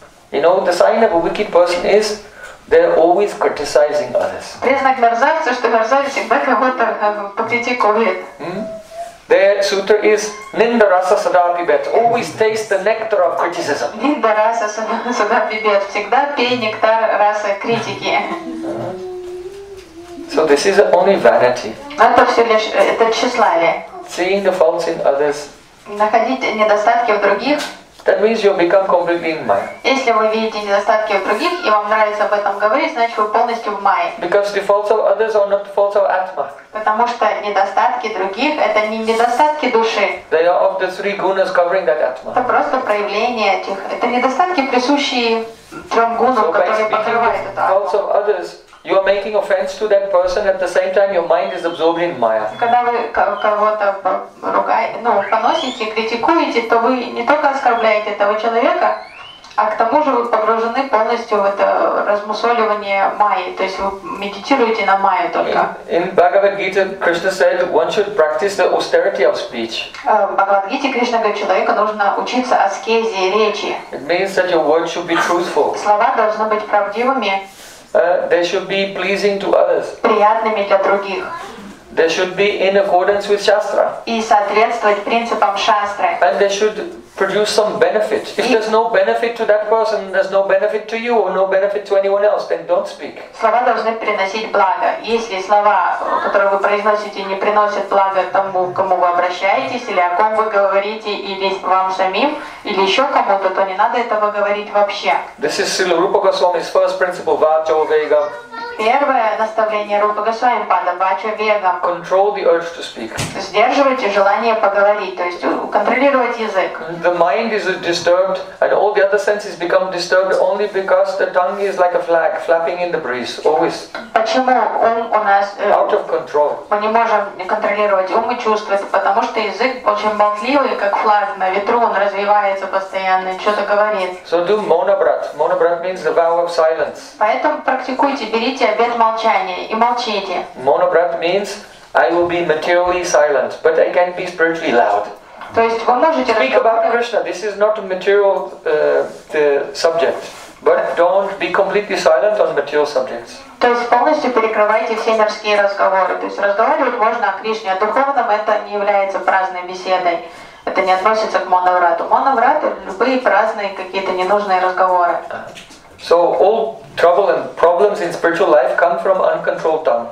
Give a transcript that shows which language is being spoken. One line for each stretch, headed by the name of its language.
English: You know the sign of a wicked person is they're always criticizing others.
Russian: Признак мерзавца, что мерзавец всегда кого-то покритикует.
English: Their sutra is
Sanskrit: Ninda Rasa Sadapibet.
English: Always taste the nectar of criticism.
Sanskrit: Ninda Rasa Sadapibet.
Russian: Всегда пей нектар расы критики.
English: So this is only vanity.
Russian: Это все лишь это тщеславие.
English: Seeing the faults in others.
Russian: Находить недостатки в других.
English: That means you become completely in Maya.
Russian: Если вы видите недостатки в других и вам нравится об этом говорить, значит вы полностью в Майе.
English: Because the faults of others are not the faults of Atma.
Russian: Потому что недостатки других это не недостатки души.
English: They are of the three gunas covering that Atma.
Russian: Это просто проявление этих. Это недостатки присущие трем гунам, которые покрывают это.
English: Faults of others. You are making offense to that person, at the same time your mind is absorbing Maya.
Russian: Когда вы кого-то ругаете, ну, поносите, критикуете, то вы не только оскорбляете этого человека, а к тому же вы погружены полностью в это размусоливание Майи, то есть вы медитируете на Майю только.
English: In Bhagavad Gita, Krishna said, one should practice the austerity of speech.
Russian: В Bhagavad Gita Krishna говорит, человеку нужно учиться аскезе речи.
English: It means that your words should be truthful.
Russian: Слова должны быть правдивыми.
English: They should be pleasing to others.
Russian: Приятными для других.
English: They should be in accordance with Shastra.
Russian: И соответствовать принципам Шастры.
English: And they should produce some benefit. If there's no benefit to that person, there's no benefit to you, or no benefit to anyone else, then don't speak.
Russian: Слова должны приносить благо. Если слова, которые вы произносите, не приносят блага тому, к кому вы обращаетесь, или о ком вы говорите, или вам самим, или еще кому-то, то не надо этого говорить вообще.
English: This is Srila Rupa Goswami's first principle, Vacha Vega.
Russian: Первое наставление Рупа Госвами Пада, Вача Вега.
English: Control the urge to speak.
Russian: Сдерживайте желание поговорить, то есть контролировать язык.
English: The mind is disturbed and all the other senses become disturbed only because the tongue is like a flag flapping in the breeze, always.
Russian: Почему ум у нас
English: out of control.
Russian: Мы не можем контролировать ум и чувства, потому что язык очень болтливый, как флаг на ветру, он развивается постоянно, что-то говорит.
English: So do monabrat. Monabrat means the vow of silence.
Russian: Поэтому практикуйте, берите обет молчания и молчите.
English: Monabrat means I will be materially silent, but I can be spiritually loud.
Russian: То есть вы можете
English: speak about Krishna. This is not a material the subject, but don't be completely silent on material subjects.
Russian: То есть полностью перекрывайте все мирские разговоры. То есть разговаривать можно о Кришне, о духовном это не является праздной беседой. Это не относится к моноврату. Моноврат — любые праздные какие-то ненужные разговоры.
English: So all trouble and problems in spiritual life come from uncontrolled tongue.